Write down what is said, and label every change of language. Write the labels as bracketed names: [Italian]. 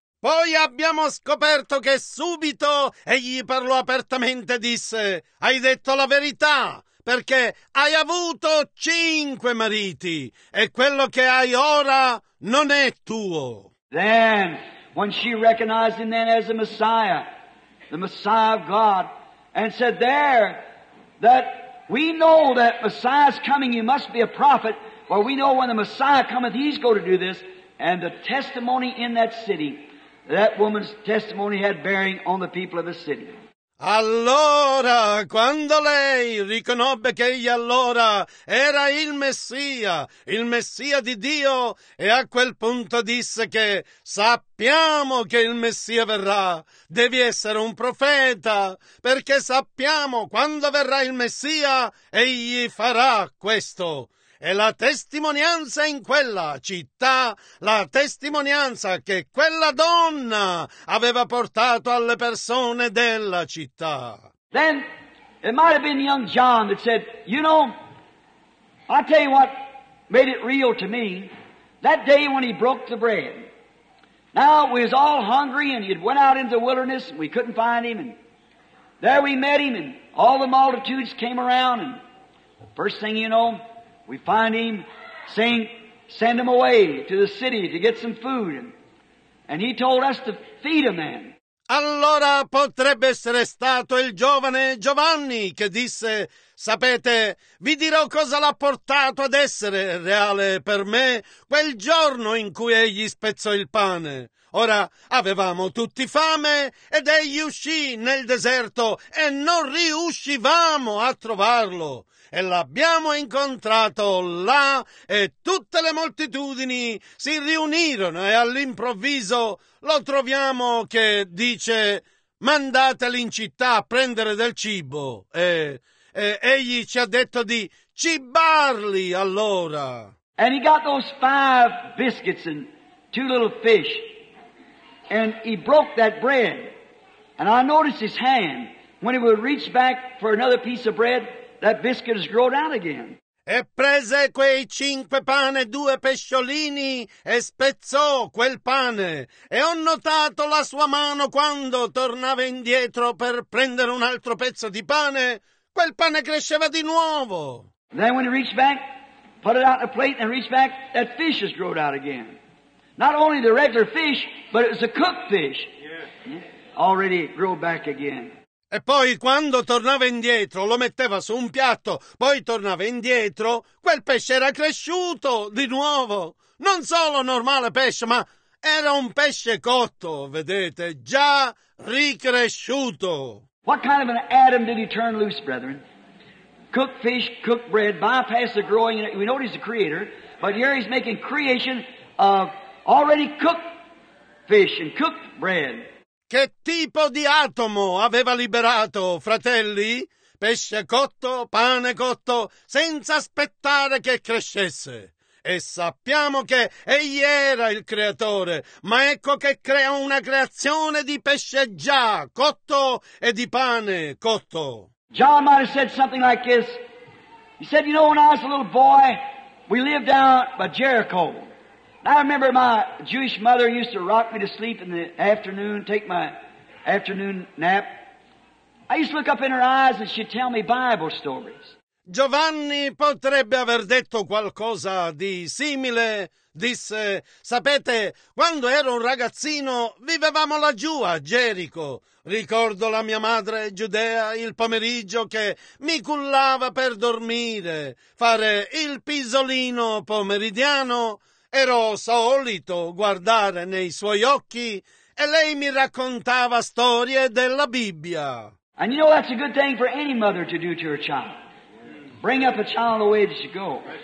[Italian] Poi abbiamo scoperto che subito egli parlò apertamente e disse, hai detto la verità, perché hai avuto cinque mariti e quello che hai ora non è tuo. [English] Then when she recognized him then as the Messiah of God, and said there that we know that Messiah's coming, he must be a prophet, for we know when the Messiah cometh, he's going to do this, and the testimony in that city, that woman's testimony had bearing on the people of the city. [Italian] Allora, quando lei riconobbe che egli allora era il Messia di Dio, e a quel punto disse che sappiamo che il Messia verrà, devi essere un profeta, perché sappiamo quando verrà il Messia, egli farà questo. E la testimonianza in quella città, la testimonianza che quella donna aveva portato alle persone della città. [English] Then it might have been young John that said, you know, I tell you what made it real to me, that day when he broke the bread. Now we was all hungry and he had went out into the wilderness and we couldn't find him, and there we met him and all the multitudes came around, and first thing you know, We find him saying, send him away to the city to get some food. And he told us to feed a man. [Italian] Allora potrebbe essere stato il giovane Giovanni che disse, sapete, vi dirò cosa l'ha portato ad essere reale per me quel giorno in cui egli spezzò il pane. Ora, avevamo tutti fame ed egli uscì nel deserto e non riuscivamo a trovarlo. E l'abbiamo incontrato là e tutte le moltitudini si riunirono e all'improvviso lo troviamo che dice mandateli in città a prendere del cibo e egli ci ha detto di cibarli allora. [English] And he got those five biscuits and two little fish and he broke that bread and I noticed his hand when he would reach back for another piece of bread. That biscuit has grown out again. [Italian] E prese quei cinque pane e due pesciolini e spezzò quel pane. E ho notato la sua mano quando tornava indietro per prendere un altro pezzo di pane. Quel pane cresceva di nuovo. [English] Then when he reached back, put it out on a plate and reached back, that fish has grown out again. Not only the regular fish, but it was a cooked fish. Yeah. Already grew back again. [Italian] E poi quando tornava indietro lo metteva su un piatto, poi tornava indietro, quel pesce era cresciuto di nuovo. Non solo normale pesce, ma era un pesce cotto, vedete, già ricresciuto. [English] What kind of an Adam did he turn loose, brethren? Cooked fish, cooked bread, bypass the growing. We know he's the creator, but here he's making creation of already cooked fish and cooked bread. [Italian] Che tipo di atomo aveva liberato, fratelli? Pesce cotto, pane cotto, senza aspettare che crescesse. E sappiamo che egli era il creatore, ma ecco che crea una creazione di pesce già cotto e di pane cotto. [English] John might have said something like this. He said, you know, when I was a little boy, we lived down by Jericho. I remember my Jewish mother used to rock me to sleep in the afternoon, take my afternoon nap. I used to look up in her eyes and she'd tell me Bible stories. [Italian] Giovanni potrebbe aver detto qualcosa di simile. Disse, sapete, quando ero un ragazzino vivevamo laggiù a Gerico. Ricordo la mia madre giudea il pomeriggio che mi cullava per dormire, fare il pisolino pomeridiano. Ero solito guardare nei suoi occhi e lei mi raccontava storie della Bibbia. [English] And you know that's a good thing for any mother to do to her child. Bring up a child the way it should go.